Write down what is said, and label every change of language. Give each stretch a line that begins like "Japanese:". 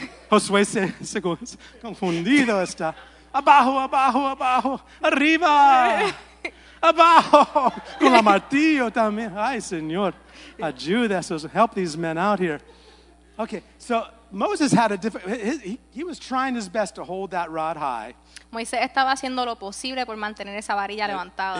Spanish: Josué se confundido está. Abajo. Arriba. Abajo, con la martillo también. Ay, señor, ayuda,
English: so help these men out here. Okay, so Moses had a difficult. He was trying his best to hold that rod high.
Spanish: Moisés estaba haciendo lo posible por mantener esa varilla levantada.